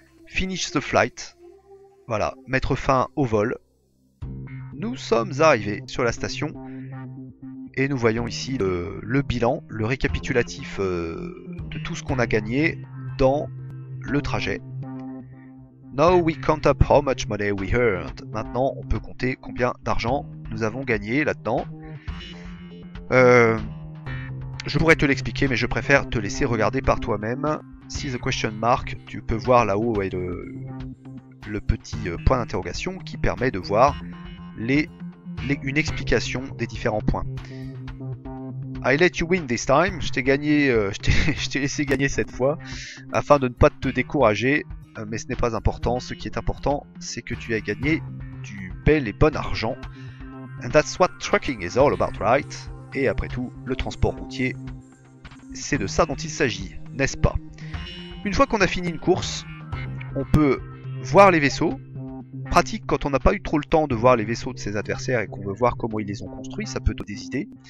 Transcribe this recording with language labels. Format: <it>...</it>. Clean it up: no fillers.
<en>Finish the flight.</en> <fr>Voilà, mettre fin au vol. Nous sommes arrivés sur la station. Et nous voyons ici le bilan, le récapitulatif de tout ce qu'on a gagné dans le trajet.</fr> <en>Now we count up how much money we earned.</en> <fr>Maintenant, on peut compter combien d'argent nous avons gagné là-dedans. Je pourrais te l'expliquer, mais je préfère te laisser regarder par toi-même.</fr> <en>See the question mark,</en> <fr>tu peux voir là-haut ouais, le petit point d'interrogation qui permet de voir une explication des différents points.</fr> <en>I let you win this time.</en> <fr>Je t'ai laissé gagner cette fois afin de ne pas te décourager. Mais ce n'est pas important. Ce qui est important, c'est que tu as gagné du bel et bon argent.</fr> <en>And that's what trucking is all about, right?</en> <fr>Et après tout, le transport routier, c'est de ça dont il s'agit, n'est-ce pas? Une fois qu'on a fini une course, on peut voir les vaisseaux. Pratique quand on n'a pas eu trop le temps de voir les vaisseaux de ses adversaires et qu'on veut voir comment ils les ont construits, ça peut donner des idées.</fr>